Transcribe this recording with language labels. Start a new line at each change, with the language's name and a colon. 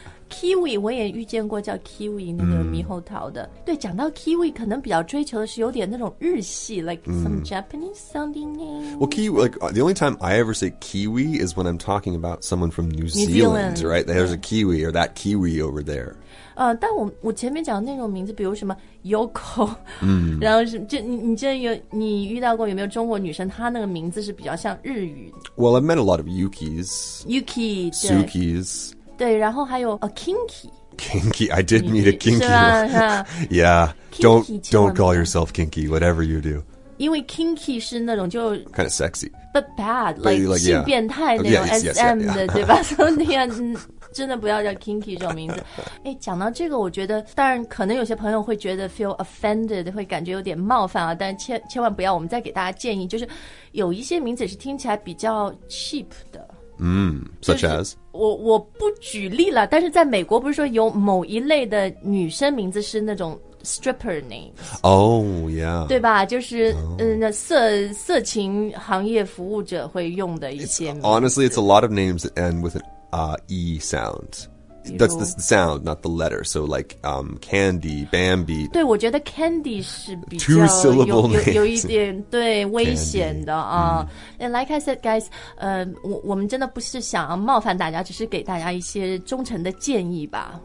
Chinese: Kiwi, 我也遇见过叫 Kiwi 那个猕猴桃的。对，讲到 Kiwi, 可能比较追求的是有点那种日系 ,
English: like some Japanese sounding name. Well, Kiwi, like, the only time I ever say Kiwi is when I'm talking about someone from New Zealand, right? There's a Kiwi or that Kiwi over there.
Chinese: 但我前面讲的那种名字比如什么 Yoko, 然后就你遇到过有没有中国女生她那个名字是比较像日语。
English: Well, I've met a lot of Yukis. Yuki, Sukis.
Chinese: 对，然后还有
English: a kinky. Kinky, I did meet a kinky.
Chinese: 是吧是吧
English: yeah, don't call yourself kinky, whatever you do.
Chinese: 因为 kinky 是那种就
English: kind of sexy, but bad, like yeah.
Chinese: 性变态那种 SM 的
English: yeah.
Chinese: 对吧？所以真的不要叫 kinky 这种名字。哎，讲到这个，我觉得当然可能有些朋友会觉得
English: feel offended,
Chinese: 会感觉有点冒犯啊，但千万不要。我们再给大家建议，就是有一些名字是听起来比较 cheap 的。
English: Such as?
Chinese: 我不举例了，但是在美国不是说有某一类的女生名字是那种 stripper name?
English: Oh, yeah.
Chinese: 对吧，就是、色情行业服务者会用的一些名字。
English: Honestly, it's a lot of names that end with an E sound. That's the sound, not the letter. So like Candy, Bambi.
Chinese: 对，我觉得 Candy 是比较
English: two syllable names.
Chinese: 有一点对危险的啊。
English: And like I said, guys,
Chinese: 我们真的不是想要冒犯大家，只是给大家一些忠诚的建议吧。